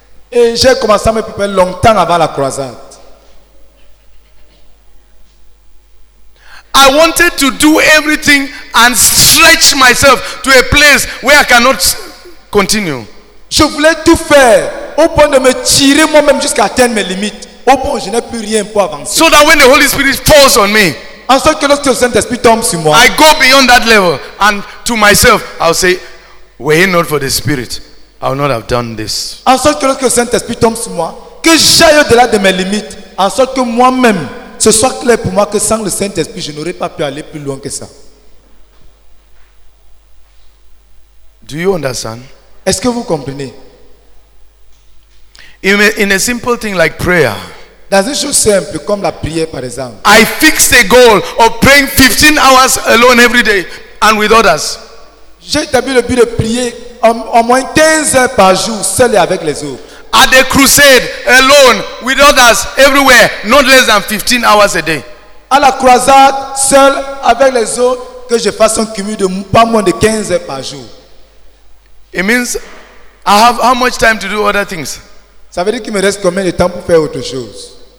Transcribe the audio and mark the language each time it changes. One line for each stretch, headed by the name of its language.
French: Et j'ai commencé à me préparer longtemps avant la croisade.
English: I wanted to do everything and stretch myself to a place where I cannot continue.
French: Je voulais tout faire au point de me tirer moi-même jusqu'à atteindre mes limites. Au point où je n'ai plus rien pour avancer.
English: So that when the Holy Spirit falls on me,
French: en sorte que lorsque le Saint-Esprit tombe sur moi,
English: I go beyond that level and to myself I'll say, were it not for the Spirit, I would not have done this.
French: En sorte que lorsque le Saint-Esprit tombe sur moi, que j'aille au-delà de mes limites, en sorte que moi-même, ce soit clair pour moi que sans le Saint-Esprit, je n'aurais pas pu aller plus loin que ça.
English: Do you understand?
French: Est-ce que vous comprenez?
English: In a simple thing like prayer,
French: dans une chose simple comme la prière, par exemple,
English: I fixed a goal of praying 15 hours alone every day and with others.
French: J'ai établi le but de prier au moins 15 heures par jour, seul et avec les autres.
English: At the crusade, alone, with others, everywhere, not less than 15 hours a day.
French: À la croisade, seul, avec les autres, que je fasse un cumul de pas moins de 15 heures par jour.
English: It means I have how much time to do other things?
French: Ça veut dire qu'il me reste combien de temps pour faire autre chose?